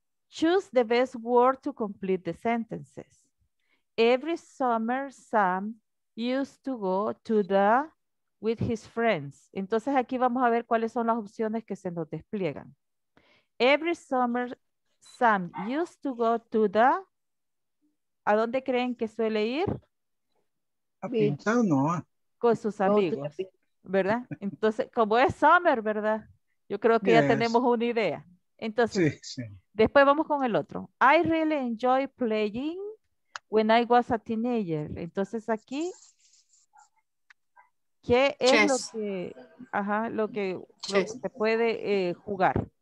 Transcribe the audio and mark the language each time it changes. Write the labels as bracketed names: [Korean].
[English] Choose the best word to complete the sentences. Every summer, Sam used to go to the with his friends. [Spanish] Entonces aquí vamos a ver cuáles son las opciones que se nos despliegan. [English] Every summer, Sam used to go to the. [Spanish] ¿A dónde creen que suele ir? A pintar, ¿no? Con sus amigos, ¿verdad? Entonces, como es summer, ¿verdad? Yo creo que ya tenemos una idea. Entonces, después vamos con el otro. [English] I really enjoy playing when I was a teenager. [Spanish] Entonces aquí, ¿qué es lo que se puede jugar?